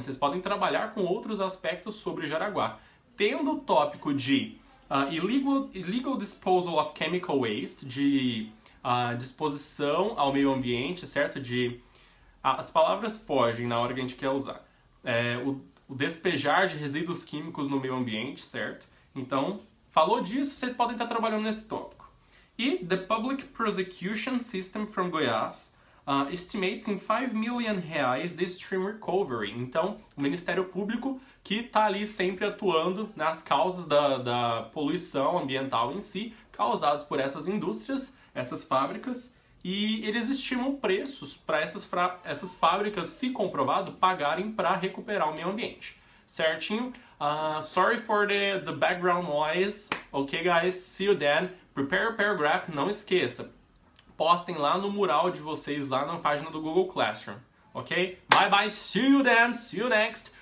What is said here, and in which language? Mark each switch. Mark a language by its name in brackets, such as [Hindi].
[Portuguese] Vocês podem trabalhar com outros aspectos sobre Jaraguá. Tendo o tópico de [English] illegal disposal of chemical waste, [Portuguese] de disposição ao meio ambiente, certo? As palavras fogem na hora que a gente quer usar. O despejar de resíduos químicos no meio ambiente, certo? Então, falou disso, vocês podem estar trabalhando nesse tópico. [English] E the public prosecution system from Goiás estimates in 5 million reais the stream recovery. [Portuguese] Então, o Ministério Público que está ali sempre atuando nas causas da poluição ambiental em si, causadas por essas indústrias, essas fábricas, e eles estimam preços para essas fábricas, se comprovado, pagarem para recuperar o meio ambiente. [English] Certinho? Sorry for the background noise. Okay, guys, see you then. Prepare paragraph, [Portuguese] não esqueça. Postem lá no mural de vocês, lá na página do Google Classroom. Ok? [English] Bye bye, see you then, see you next.